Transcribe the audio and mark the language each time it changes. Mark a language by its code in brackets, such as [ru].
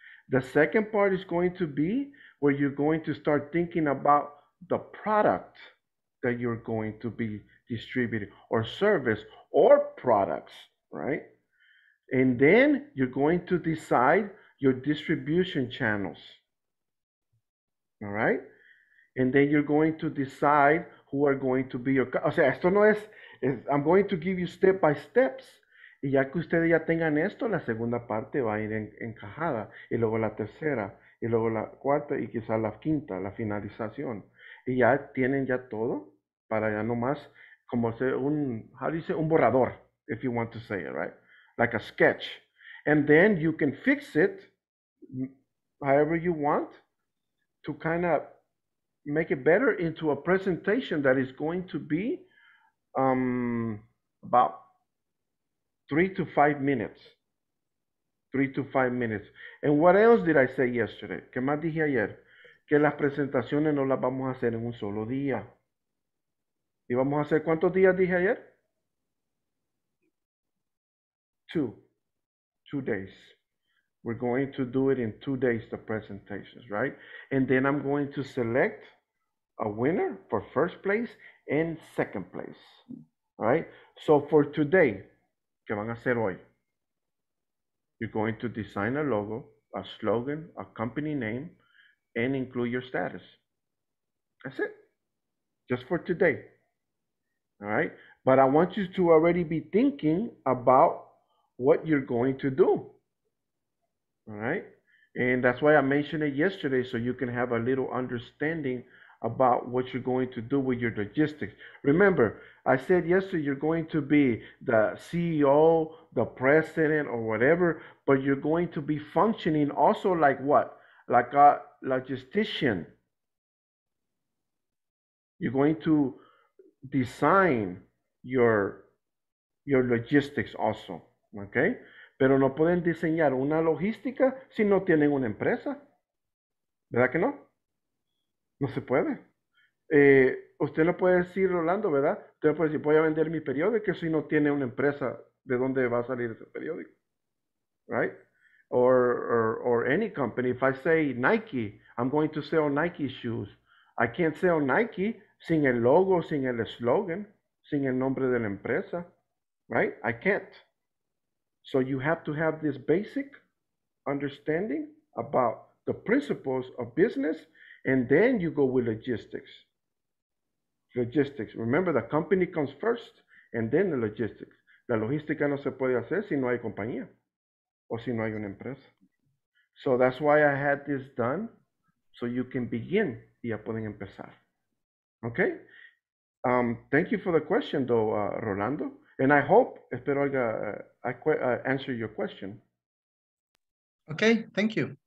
[en] The second part is going to be where you're going to start thinking about the product that you're going to be distributing, or service or products, right? And then you're going to decide your distribution channels, all right? And then you're going to decide who are going to be your, [es] o sea, esto no es, [en] I'm going to give you step by steps. [es] Y ya que ustedes ya tengan esto, la segunda parte va a ir encajada. Y luego la tercera, y luego la cuarta, y quizás la quinta, la finalización. Y ya tienen ya todo para ya nomás, como sea un, [en] how do you say, [es] un borrador, [en] if you want to say it, right? Like a sketch. And then you can fix it however you want to kind of make it better into a presentation that is going to be about 3 to 5 minutes. 3 to 5 minutes. And what else did I say yesterday? [es] ¿Qué más dije ayer? Que las presentaciones no las vamos a hacer en un solo día. ¿Y vamos a hacer cuántos días dije ayer? [en] 2 days. We're going to do it in 2 days, the presentations, right? And then I'm going to select a winner for first place and second place, all right? So for today, [es] ¿qué van a hacer hoy? [en] You're going to design a logo, a slogan, a company name, and include your status. That's it, just for today, all right? But I want you to already be thinking about what you're going to do, all right? And that's why I mentioned it yesterday, so you can have a little understanding about what you're going to do with your logistics. Remember, I said yesterday you're going to be the CEO, the president, or whatever, but you're going to be functioning also like what? Like a logistician. You're going to design your logistics also, okay? [es] Pero no pueden diseñar una logística si no tienen una empresa. ¿Verdad que no? No se puede. Usted no puede decir, Rolando, ¿verdad? Usted no puede decir, voy a vender mi periódico si no tiene una empresa, ¿de dónde va a salir ese periódico? [en] Right? Or any company. If I say Nike, I'm going to sell Nike shoes. I can't sell Nike [es] sin el logo, sin el slogan, sin el nombre de la empresa. [en] Right? I can't. So you have to have this basic understanding about the principles of business. And then you go with logistics. Logistics. Remember, the company comes first, and then the logistics. [es] La logística no se puede hacer si no hay compañía o si no hay una empresa. [en] So that's why I had this done, so you can begin. [es] Y ya pueden empezar. [en] Okay? Thank you for the question, though, Rolando. And I hope, [es] espero haya, [en] answer your question. Okay, thank you.